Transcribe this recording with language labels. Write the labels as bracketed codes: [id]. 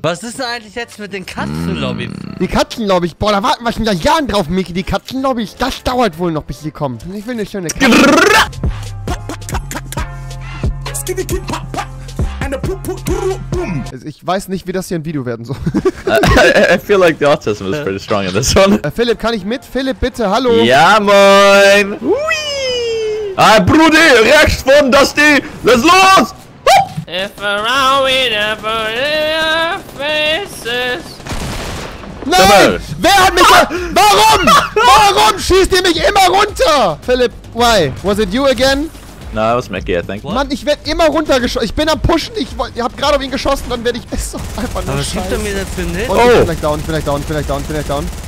[de] Was ist denn eigentlich jetzt mit den Katzenlobby? Die Katzenlobby, boah, da warten wir schon seit Jahren drauf, Mickey. Die Katzenlobby, das dauert wohl noch, bis sie kommt. Ich will eine schöne Katze. Ich weiß nicht, wie das hier ein Video werden soll. [en] I feel like the autism is pretty strong in this one. [de] Philipp, kann ich mit? Philipp, bitte, hallo. Ja, moin. Hui. Ah, Brudi, rechts von Dusty! [en] Let's [de] los! [en] If around we never see faces. [de] Nein! Wer hat mich... Warum? Warum schießt ihr mich immer runter? [en] Philipp, why? Was it you again? No, it was Mickey, I think. What? [de] Mann, ich werd immer runtergeschossen. Ich bin am Pushen. Ich hab gerade auf ihn geschossen. Dann werd ich... Ist doch einfach nur scheiße. Was gibt er mir dafür nicht? Oh! Ich bin gleich down.